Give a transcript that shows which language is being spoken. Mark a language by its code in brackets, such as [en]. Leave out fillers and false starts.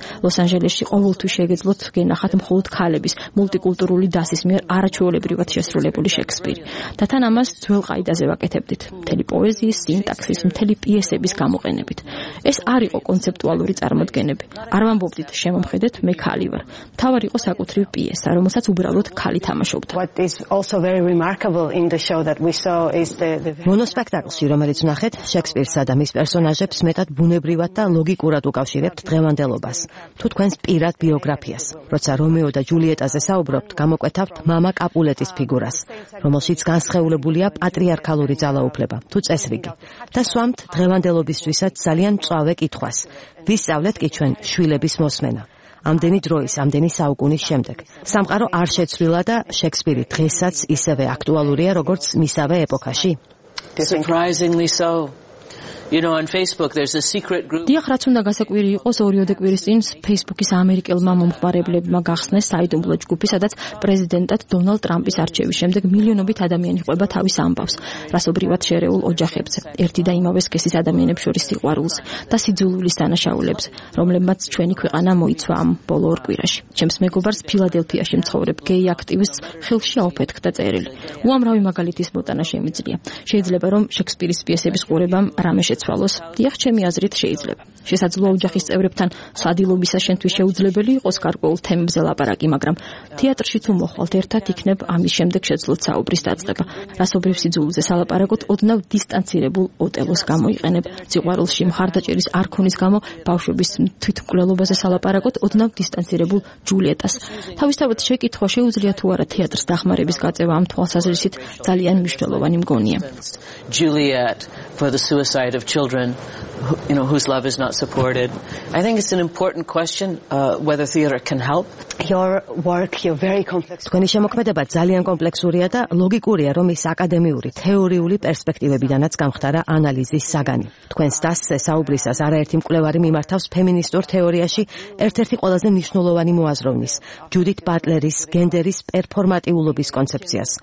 [ka] ლოს-ანჯელესში ყოველთვის შეგეძლოთ გენახათ მხოლოდ ქალების მულტიკულტურული დასის მიერ არაჩვეულებრივად შესრულებული შექსპირი. და თან ამას ძველ ყაიდაზე ვაკეთებდით, მთელი პოეზიის, სინტაქსის, მთელი პიესების გამოყენებით. ეს არ იყო კონცეპტუალური წარმოდგენები. არ ვამბობდით შემომხედეთ მე ქალი ვარ. მთავარი იყო საკუთრივი პიესა, რომელსაც უბრალოდ ქალი თამაშობდა. [en] What is also very remarkable in the show that we saw is the [ka] მონოსპექტაკლში, რომელიც ნახეთ, შექსპირსა და მის პერსონაჟებს მეტად ბუნებრივად და ლოგიკურად უკავშირებთ დღევანდელობას. თუ თქვენს პირად ბიოგრაფიას, როცა რომეო და ჯულიეტაზე საუბრობთ, გამოკვეთავთ მამა კაპულეტის ფიგურას, რომელშიც განსხეულებულია პატრიარქალური ძალაუფლება, თუ წესრიგი. და სვამთ დღევანდელობისთვისაც ძალიან მწვავე კითხვას. ვისწავლეთ კი ჩვენ შვილების მოსმენა. ამდენი დროის, ამდენი საუკუნის შემდეგ. სამყარო არ შეცვლილა და შექსპირი დღესაც ისევე აქტუალურია, როგორც მისავე ეპოქაში. [en] Surprisingly so. You know, on Facebook there's a secret group. [ka] დიახ, რაც უნდა გასაკვირი იყოს, 2-ოდე კვირის წინ Facebook-ის ამერიკელმა მომხმარებლებმა გახსნეს საიდუმლო ჯგუფი, სადაც პრეზიდენტად დონალდ ტრამპის არჩევის შემდეგ მილიონობით ადამიანი ყובה თავის ამბავს, რასობრივად შერეულ ოჯახებს, ერთი და იმავე სქესის ადამიანებს შორის სიყვარულს და სიძულვილის დანაშაულებს, რომლებმაც ჩვენი ქვეყანა მოიცვა ამ ბოლო ორ კვირაში. ჩემს მეგობარს ფილადელფიაში მცხოვრებ გეი აქტივისტს ხელში აუფეთქდა წერილი. უამრავი მაგალითის მოტანა შემიძლია. შეიძლება რომ შექსპირის პიესების ყურებამ რამე შეცვალოს. დიახ, ჩემი აზრით შეიძლება. შესაძლოა ოჯახის წევრებთან სადილობისა შენთვის შეუძლებელი იყოს გარკვეულ თემებზე ლაპარაკი, მაგრამ თეატრში თუ მოხვალთ, ერთად იქნებ ამის შემდეგ შეძლოთ საუბრის დაწყება. რასობრივ სიძულვილზე სალაპარაკოთ, ოდნავ დისტანცირებულ ოტელოს გამოიყენებ. სიყვარულში მხარდაჭერის არქონის გამო ბავშვების თვითმკვლელობაზე სალაპარაკოთ, ოდნავ დისტანცირებულ ჯულიეტას. თავისთავად შეკითხვა, შეუძლია თუ არა თეატრს დახმარების გაწევა ამ თვალსაზრისით, ძალიან მნიშვნელოვანი მგონია. [en] Juliet for the suicide of children, you know, whose love is not supported. I think it's an important question whether theater can help. Your work, you're very complex. [ka] თქვენი შემოქმედება ძალიან კომპლექსურია და ლოგიკურია, რომ ის აკადემიური, თეორიული პერსპექტივებიდანაც გამხდარა ანალიზის საგანი. თქვენ სტასზე საუბრისას არაერთი მკვლევარი მიმართავს ფემინისტურ თეორიაში ერთ-ერთი ყველაზე მნიშვნელოვანი მოაზროვნის, ჯუდით ბატლერის გენდერის პერფორმატიულობის კონცეფციას.